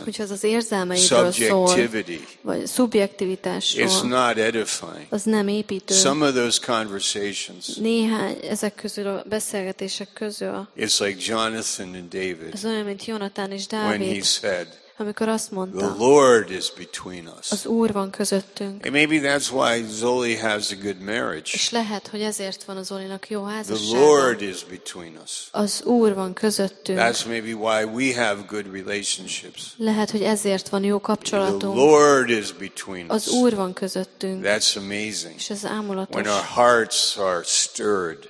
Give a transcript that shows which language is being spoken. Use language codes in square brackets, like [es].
[hu] Hogyha az érzelmeidről szól. Vagy szubjektivitásról. [en] It's not edifying. [hu] Az nem építő. [en] Some of those conversations. [hu] Néhány ezek közül a beszélgetések közül. [en] It's like Jonathan and David. [hu] Az olyan, mint Jonathan és Dávid. [en] When he said. [hu] Amikor azt mondta, [en] the Lord is between us. [hu] Az Úr van közöttünk. [en] And maybe that's why Zoli has a good marriage. [hu] És lehet, hogy ezért van a Zolinak jó házassága. [en] The Lord is between us. [hu] Az Úr van közöttünk. [en] That's maybe why we have good relationships. [hu] Lehet, hogy ezért van jó kapcsolatunk. [en] The Lord is between us. [hu] Az Úr van közöttünk. [en] That's amazing. [hu] És ez ámulatos. [en] When our hearts are stirred.